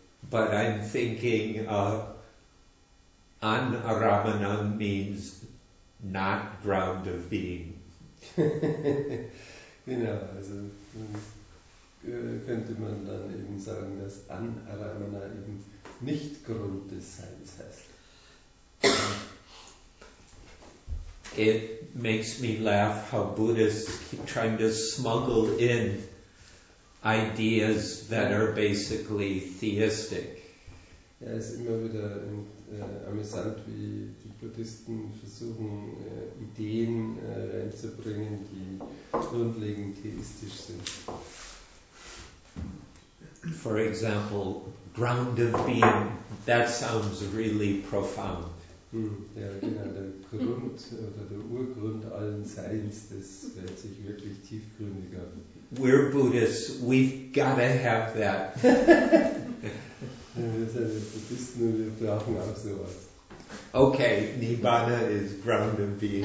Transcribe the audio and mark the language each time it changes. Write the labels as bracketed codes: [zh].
[en] But I'm thinking anaramana means not ground of being. [de] Genau, also könnte man dann eben sagen, dass anaramana eben nicht Grund des Seins heißt. [en] It makes me laugh how Buddhists keep trying to smuggle in ideas that are basically theistic. [de] Ja, es ist immer wieder amüsant, wie die Buddhisten versuchen, Ideen reinzubringen, die grundlegend theistisch sind. [en] For example, ground of being, that sounds really profound. [de] Ja, genau, der Grund oder der Urgrund allen Seins, das hört sich wirklich tiefgründig an. [en] We're Buddhists, we've got to have that. [de] Wir sind Buddhisten und wir brauchen auch sowas. [en] Okay, Nibbana is ground of being.